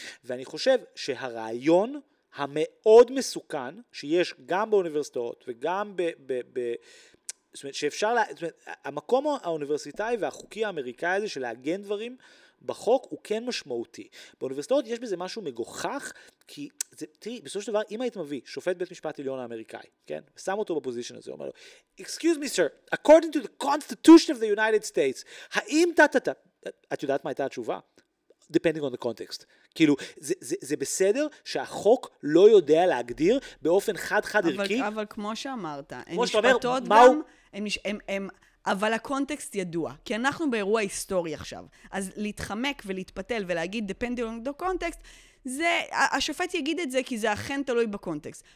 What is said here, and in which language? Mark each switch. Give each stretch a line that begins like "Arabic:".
Hebrew: ואני חושב שהרעיון המאוד מסוכן שיש גם באוניברסיטאות וגם ב... ב, ב זאת אומרת, שאפשר לה... זאת אומרת, המקום האוניברסיטאי והחוקי האמריקאי הזה של להגן דברים בחוק הוא כן משמעותי. באוניברסיטאות יש בזה משהו מגוחך, כי זה, תראי, בסופו של דבר, אם היית מביא שופט בית משפט עליון האמריקאי, כן? שם אותו בפוזישן הזה, אומר לו,
English: "Excuse me, sir, according to the Constitution of the United States,
Hebrew: האם תתתה..." את יודעת מה הייתה התשובה?
English: Depending on the context.
Hebrew: כאילו, זה בסדר שהחוק לא יודע להגדיר באופן חד-חד ערכי. אבל כמו שאמרת, הן משפטות גם, אבל הקונטקסט ידוע. כי אנחנו באירוע היסטורי עכשיו. אז להתחמק ולהתפתל ולהגיד
English: depending on the context,
Hebrew: זה, השופט יגיד את זה כי זה אכן תלוי בקונטקסט.